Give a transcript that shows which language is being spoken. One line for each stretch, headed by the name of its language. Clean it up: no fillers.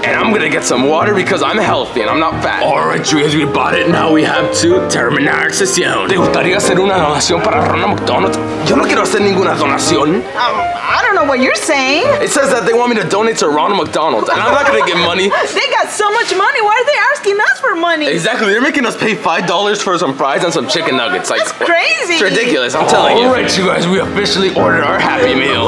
English: And I'm gonna get some water because I'm healthy and I'm not fat. All right, you guys, we bought it. Now we have to terminar our session.
Spanish: ¿Te gustaría hacer una donación para Ronald McDonald's? Yo no quiero hacer ninguna donación.
English: I don't know what you're saying. It says that they want me to donate to Ronald McDonald's, and I'm not gonna get money. They got so much money. Why are they asking us for money? Exactly. They're making us pay $5 for some fries and some chicken nuggets. Like, that's crazy. It's ridiculous. I'm telling you. All right, you guys. We officially ordered our Happy Meal.